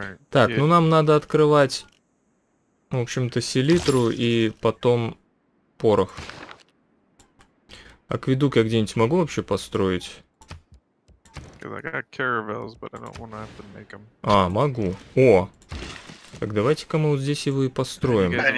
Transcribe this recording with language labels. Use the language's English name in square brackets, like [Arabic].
[Russian] Так, ну нам надо открывать, в общем-то, селитру и потом порох. Акведук я где-нибудь могу вообще построить? [English] Because I got caravels, but I don't want to have to make them. [Russian] А, могу. О! Так давайте-ка мы вот здесь его и построим.